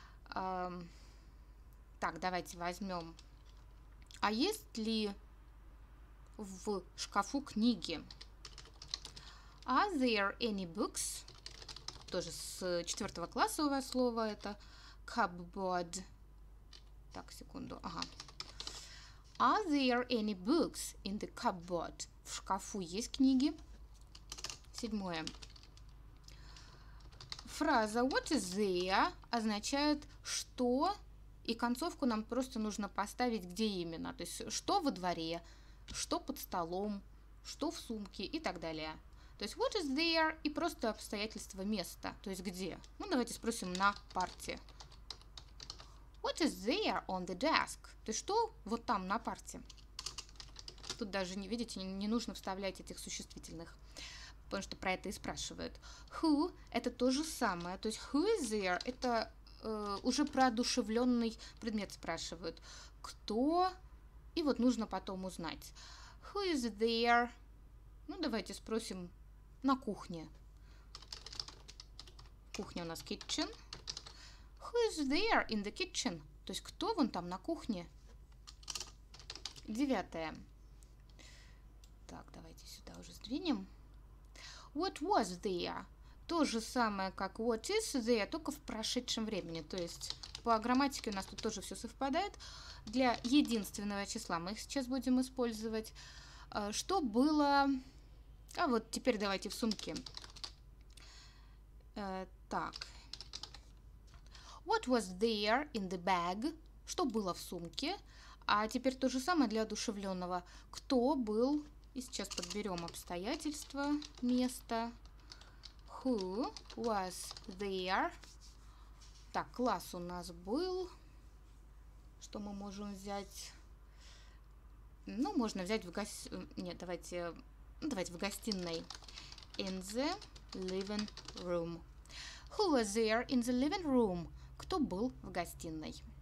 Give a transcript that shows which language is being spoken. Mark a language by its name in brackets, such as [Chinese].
[Russian] Так, давайте возьмем. А есть ли в шкафу книги? [English] Are there any books? [Russian] Тоже с четвертого класса у вас слово это. Cupboard. Так, секунду. Ага. [English] Are there any books in the cupboard? [Russian] В шкафу есть книги? Седьмое. Фраза [English] what is there [Russian] означает что, и концовку нам просто нужно поставить где именно. То есть что во дворе, что под столом, что в сумке и так далее. То есть [English] what is there [Russian] и просто обстоятельство места, то есть где. Ну давайте спросим на парте. [English] What is there on the desk? [Russian] То есть что вот там на парте. Тут даже, не видите, не нужно вставлять этих существительных. Потому что про это и спрашивают. Who – это то же самое. То есть [English] who is there [Russian] – это уже продушевленный предмет спрашивают. Кто? И вот нужно потом узнать. [English] Who is there? [Russian] Ну, давайте спросим на кухне. Кухня у нас kitchen. [English] Who is there in the kitchen? [Russian] То есть кто вон там на кухне? Девятое. Так, давайте сюда уже сдвинем. [English] What was there? [Russian] То же самое, как [English] what is there, [Russian] только в прошедшем времени. То есть по грамматике у нас тут тоже все совпадает. Для единственного числа мы их сейчас будем использовать. Что было... А вот теперь давайте в сумке. Так. [English] What was there in the bag? [Russian] Что было в сумке? А теперь то же самое для одушевленного. Кто был... И сейчас подберем обстоятельства, место. [English] Who was there? [Russian] Так, класс у нас был. Что мы можем взять? Ну, можно взять в гостиной. Нет, давайте в гостиной. [English] In the living room. Who was there in the living room? [Russian] Кто был в гостиной?